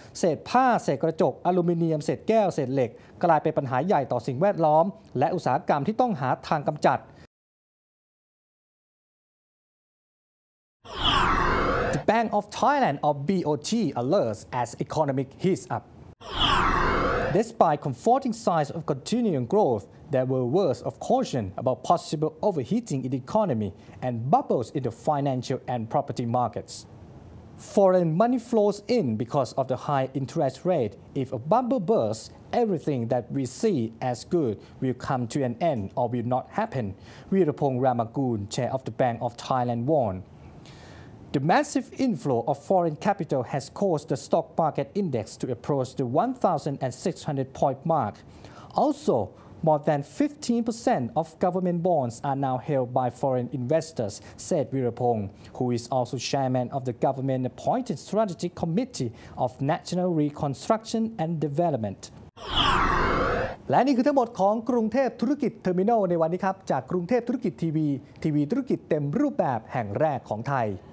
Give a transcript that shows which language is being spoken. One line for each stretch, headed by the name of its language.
Thai: เศษผ้าเศษกระจกอลูมิเนียมเศษแก้วเศษเหล็กกลายเป็นปัญหาใหญ่ต่อสิ่งแวดล้อมและอุตสาหกรรมที่ต้องหาทางกำจัด
English: The Bank of Thailand or BOT alerts as economic heats up Despite comforting signs of continuing growthThere were words of caution about possible overheating in the economy and bubbles in the financial and property markets. Foreign money flows in because of the high interest rate. If a bubble bursts, everything that we see as good will come to an end or will not happen, Wirapong Ramagun, chair of the Bank of Thailand, warned. The massive inflow of foreign capital has caused the stock market index to approach the 1,600-point mark. Also,More than 15% of government bonds are now held by foreign investors, said Wirapong, who is also chairman of the government-appointed Strategy Committee of National Reconstruction and Development.
Thai: และนี่คือทั้งหมดของกรุงเทพธุรกิจเทอร์มินอลในวันนี้ครับจากกรุงเทพธุรกิจทีวีทีวีธุรกิจเต็มรูปแบบแห่งแรกของไทย